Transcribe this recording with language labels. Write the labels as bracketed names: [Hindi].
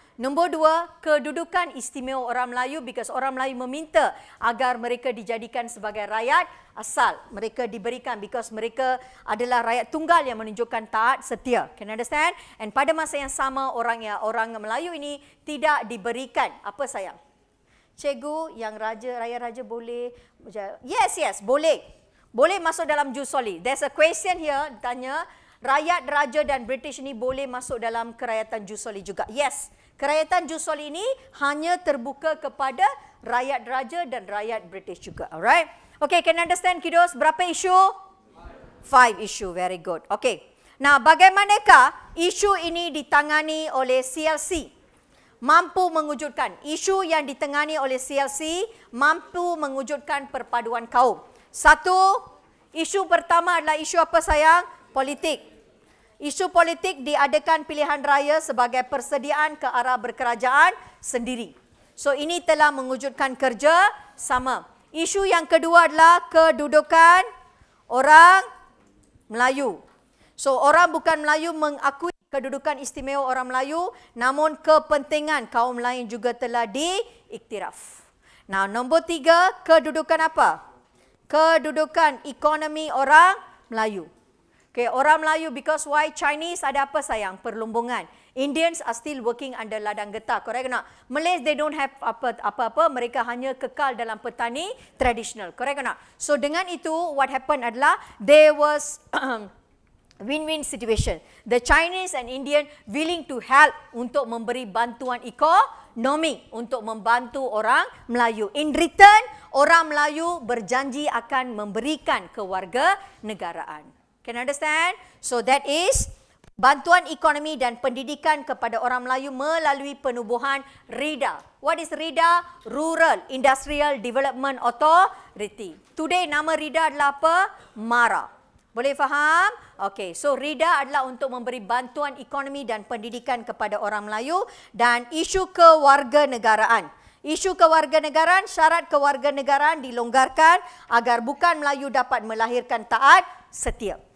[Malay] Nombor dua, kedudukan istimewa orang Melayu because orang Melayu meminta agar mereka dijadikan sebagai rakyat asal. Mereka diberikan because mereka adalah rakyat tunggal yang menunjukkan taat setia. [English] Can you understand? [Malay] And pada masa yang sama, orang Melayu ini tidak diberikan. Apa sayang? Cikgu, yang raja-raja boleh? Yes, yes, boleh. Boleh masuk dalam Jus Soli. [English] There's a question here, tanya. [Malay] Rakyat, raja dan British ini boleh masuk dalam kerayatan Jus Soli juga? Yes. Kerayatan Jus Soli ini hanya terbuka kepada rakyat raja dan rakyat British juga. [English] Alright? Okay, can understand kiddos? [Malay] Berapa isu? [English] Five isu. Very good. Okay. [Malay] Nah, bagaimanakah isu ini ditangani oleh CLC? Mampu mewujudkan. Isu yang ditangani oleh CLC mampu mewujudkan perpaduan kaum. Satu, isu pertama adalah isu apa sayang? Politik. Isu politik diadakan pilihan raya sebagai persediaan ke arah berkerajaan sendiri. So ini telah mewujudkan kerja sama. Isu yang kedua adalah kedudukan orang Melayu. So orang bukan Melayu mengakui kedudukan istimewa orang Melayu, namun kepentingan kaum lain juga telah diiktiraf. Nah, nombor tiga, kedudukan apa? Kedudukan ekonomi orang Melayu. Okay, orang Melayu [English] because why? [Malay] Chinese ada apa sayang? Perlumbungan. [English] Indians are still working under [Malay] ladang getah. [English] Correct not? Malays, they don't have [Malay] apa-apa. Mereka hanya kekal dalam petani traditional. Correct not? [English] So [Malay] dengan itu, [English] what happened [Malay] adalah [English] there was win-win situation. The Chinese and Indian willing to help [Malay] untuk memberi bantuan ekonomi untuk membantu orang Melayu. [English] In return, [Malay] orang Melayu berjanji akan memberikan kewarganegaraan. [English] Can understand? So that is [Malay] bantuan ekonomi dan pendidikan kepada orang Melayu melalui penubuhan RIDA. [English] What is RIDA? Rural Industrial Development Authority. Today [Malay] nama RIDA adalah apa? MARA. Boleh faham? Okay, so RIDA adalah untuk memberi bantuan ekonomi dan pendidikan kepada orang Melayu dan isu kewarganegaraan. Isu kewarganegaraan, syarat kewarganegaraan dilonggarkan agar bukan Melayu dapat melahirkan taat setia.